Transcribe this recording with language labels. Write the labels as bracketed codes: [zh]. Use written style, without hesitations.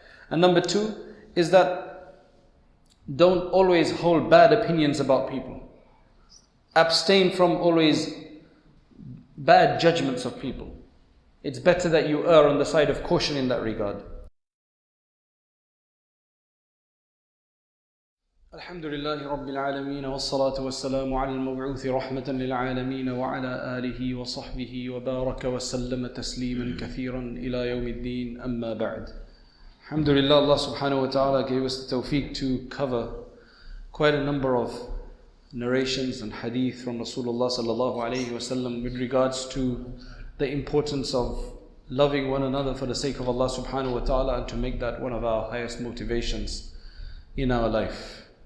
[en] And number two is that don't always hold bad opinions about people. Abstain from always bad judgments of people. It's better that you err on the side of caution in that regard. [ar] الحمد لله رب العالمين والصلاة والسلام على المبعوث رحمة للعالمين وعلى آله وصحبه وبارك وسلم تسليما كثيرا إلى يوم الدين أما بعد. الحمد لله الله سبحانه وتعالى [en] gave us the tawfiq to cover quite a number of narrations and hadith from Rasulullah [ar] صلى الله عليه وسلم [en] with regards to the importance of loving one another for the sake of Allah subhanahu wa ta'ala and to make that one of our highest motivations in our life.